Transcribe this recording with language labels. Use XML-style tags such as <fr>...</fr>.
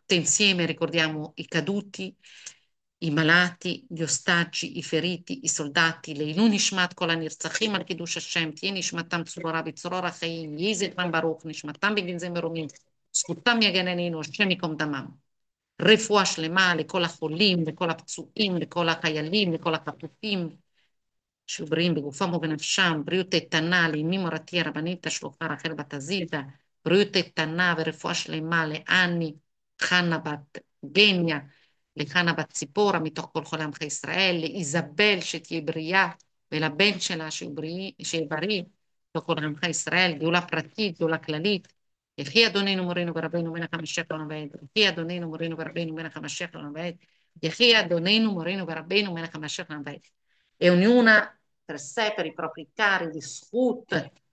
<it>Tutti insieme ricordiamo i caduti, i malati, gli ostaggi, i feriti, i soldati, le</it> <he>Ilui Nishmat kol ha-Nirtzachim al Kiddush Hashem, tihyeh nishmatam tzurura b'tzurur ha-Chayim, yehi zikram baruch, nishmatam b'gנזי מרומים, זכותם יגננו, השם ייקום דמם. רפואה שלמה לכל החולים, לכל הפצועים, לכל החיילים, לכל החטופים, שיהיו בריאים בגופם ובנפשם, בריאות איתנה, לאמי מורתי הרבנית השלוחה רחל בת עזיתא, בריאות איתנה ורפואה שלמה לאני, חנה בת גניה, לחנה בת ציפורה, מתוך כל חולי עמך ישראל, לאיזבל שתהיה בריאה, ולבן שלה שיהיה בריא, מתוך כל חולי עמך ישראל, גאולה פרטית, גאולה כללית. יחי אדוננו מורנו ורבנו מלך המשיח לעולם ועד, יחי אדוננו מורנו ורבנו מלך המשיח לעולם ועד, יחי אדוננו מורנו ורבנו מלך המשיח לעולם ועד.</he> <it>E ognuna per sé, per i propri cari, discute.</it>